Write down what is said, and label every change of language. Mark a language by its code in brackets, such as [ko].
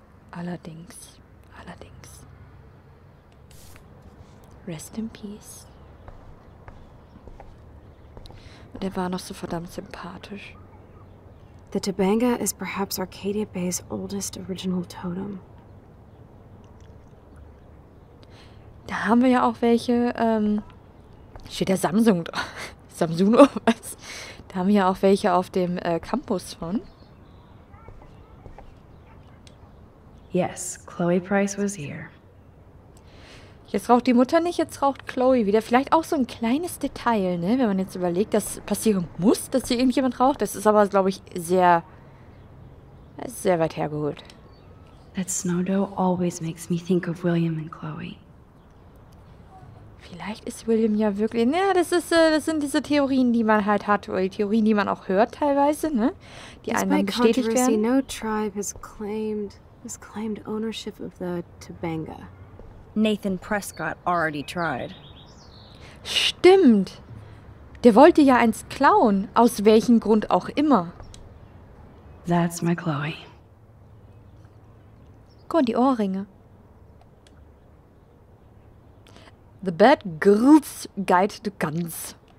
[de] Allerdings. Allerdings. [en] Rest in peace. [de] Und er war noch so verdammt sympathisch. [en] The Tabanga is perhaps Arcadia Bay's oldest original totem. [de] Da haben wir ja auch welche, steht der Samsung drauf. Samsung oder was? Da haben wir ja auch welche auf dem Campus von. [en] Yes, Chloe Price was here. [de] Jetzt raucht die Mutter nicht, jetzt raucht Chloe wieder. Vielleicht auch so ein kleines Detail, ne? Wenn man jetzt überlegt, dass passieren muss, dass hier irgendjemand raucht. Das ist aber, glaube ich, sehr, sehr weit hergeholt. [en] That snow dough always makes me think of William and Chloe. [de] Vielleicht ist William ja wirklich... Ja, das sind diese Theorien, die man halt hat. Oder die Theorien, die man auch hört teilweise, ne? Die einem dann bestätigt werden. [en] No tribe has claimed ownership of the Tabanga. Nathan Prescott already tried. [de] Stimmt. Der wollte ja eins klauen, aus welchem Grund auch immer. [en] That's my Chloe. [de] Guck mal, die Ohrringe. [en] The Bad Girls Guide to Guns.